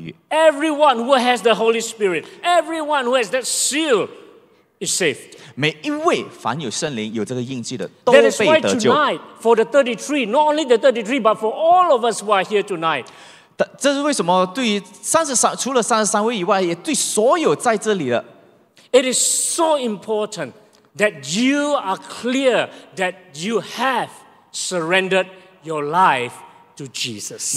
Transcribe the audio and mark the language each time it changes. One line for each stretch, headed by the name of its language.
English: Everyone who has the Holy Spirit, everyone who has that seal is saved.
Chinese: 每一位凡有圣灵有这个印记的都被得救。
English: That is why tonight, for the 33, not only the 33, but for all of us who are here tonight.
Chinese: 这是为什么对于33位以外，也对所有在这里的。
English: It is so important that you are clear that you have surrendered your life to Jesus.